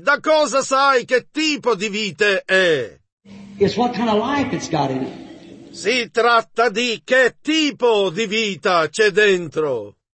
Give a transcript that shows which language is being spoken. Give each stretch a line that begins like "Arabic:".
Italian: Da cosa sai che tipo di vite è?
English: It's what kind of life it's got in it.
Italian: Si tratta di che tipo di vita c'è dentro.